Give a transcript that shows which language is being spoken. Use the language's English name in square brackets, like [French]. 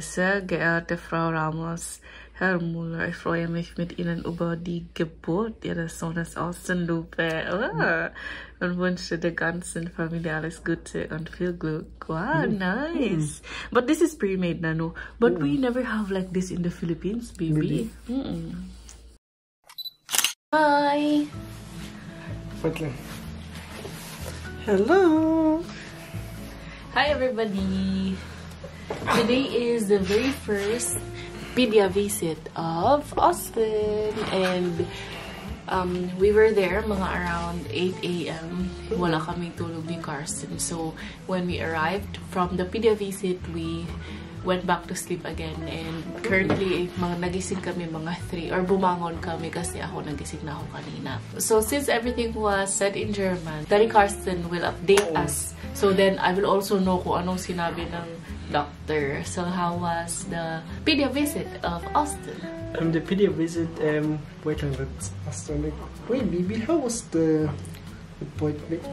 [German] Sa Geerte Frau Ramos, Herr Muller, ich freue mich mit Ihnen über die Geburt Ihres Sohnes Austin Lupe. Und wünsche der ganzen Familie alles Gute und viel Glück. [English] Wow, nice. But this is pre-made, Nanu. But we never have like this in the Philippines, baby. Hi! perfectly. Hello. Hi, everybody. Today is the very first PEDIA visit of Austen, and we were there mga around 8 a.m. [Filipino] Wala kaming tulog ni Carson. [English] So when we arrived from the PEDIA visit, we went back to sleep again. And currently, [Filipino] mga nagising kami mga 3, or bumangon kami kasi ako nagising na ako kanina. [English] So since everything was said in German, Daddy Carson will update us. So then I will also know [Filipino] kung anong sinabi ng doctor. [English] So how was the PEDIA visit of Austen? The PEDIA visit, wait a minute, Austen. Wait, baby, how was the appointment?